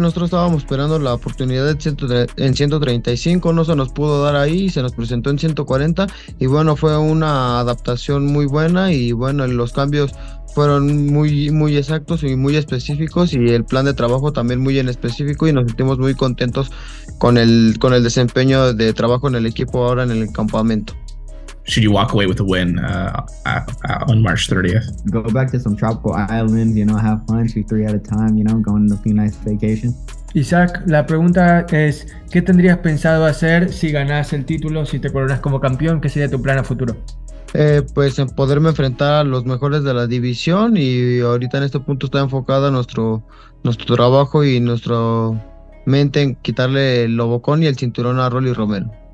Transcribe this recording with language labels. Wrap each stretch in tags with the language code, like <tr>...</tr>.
<es>Nosotros estábamos esperando la oportunidad en 135, no se nos pudo dar ahí, se nos presentó en 140 y bueno, fue una adaptación muy buena y bueno, los cambios fueron muy muy exactos y muy específicos y el plan de trabajo también muy en específico y nos sentimos muy contentos con el desempeño de trabajo en el equipo ahora en el campamento.</es> <en>Should you walk away with a win on March 30th? Go back to some tropical islands, you know, have fun, 2-3 at a time, you know, going on a few nice vacations.</en> <es>Isaac, la pregunta es, ¿qué tendrías pensado hacer si ganas el título, si te coronas como campeón? ¿Qué sería tu plan a futuro? Pues en poderme enfrentar a los mejores de la división y ahorita en este punto está enfocada nuestro trabajo y nuestra mente en quitarle el lobocón y el cinturón a Rolly Romero.</es>